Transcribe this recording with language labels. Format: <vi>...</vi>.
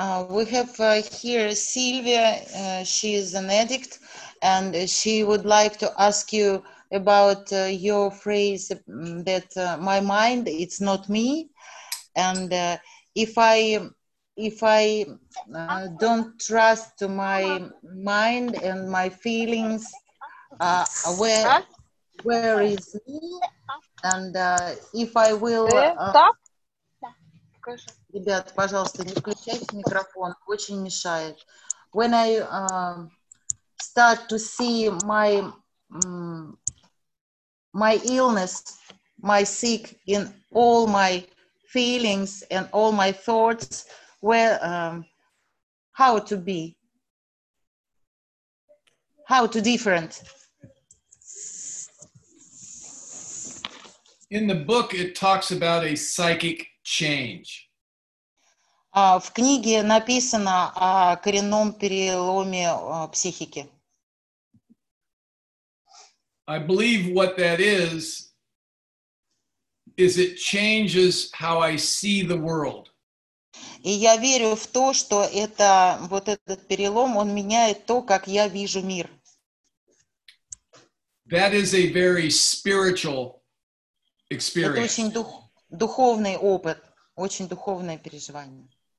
<en>We have here Sylvia, she is an addict, and she would like to ask you about your phrase that my mind, it's not me. And if I don't trust to my mind and my feelings, where is me? And if I will...</en> <ru>Ребят, пожалуйста, не включайте микрофон, очень мешает.</ru> <en>When I start to see my illness, my sick in all my feelings and all my thoughts, how to be? How to different? In the book, it talks about a psychic change.</en> <ru>В книге написано о коренном переломе психики.</ru> <en>I believe what that is it changes how I see the world.</en> <ru>И я верю в то, что это вот этот перелом, он меняет то, как я вижу мир.</ru> <en>That is a very spiritual experience.</en> <ru>Это очень духовный опыт, очень духовное переживание.</ru>